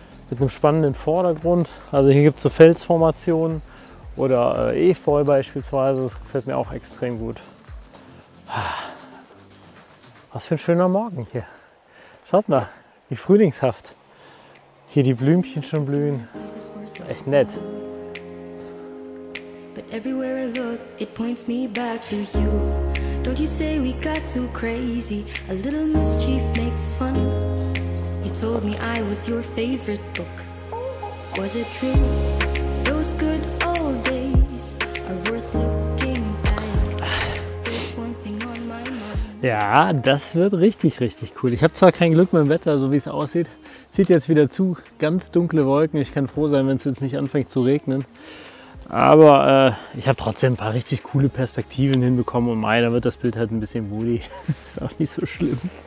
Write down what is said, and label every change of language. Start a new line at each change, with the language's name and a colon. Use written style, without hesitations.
German: Mit einem spannenden Vordergrund. Also hier gibt es so Felsformationen oder Efeu beispielsweise. Das gefällt mir auch extrem gut. Was für ein schöner Morgen hier. Schaut mal, wie frühlingshaft. Hier die Blümchen schon blühen. Echt nett.
English: But everywhere I look, it points me back to you. Don't you say we got too crazy? A little mischief makes fun. You told me I was your favorite book. Was it true? Those good old days are worth looking back. There's one thing on my mind.
German: Ja, das wird richtig, richtig cool. Ich habe zwar kein Glück mit dem Wetter, so wie es aussieht. Zieht jetzt wieder zu, ganz dunkle Wolken. Ich kann froh sein, wenn es jetzt nicht anfängt zu regnen. Aber ich habe trotzdem ein paar richtig coole Perspektiven hinbekommen. Und mei, da wird das Bild halt ein bisschen woody. Ist auch nicht so schlimm.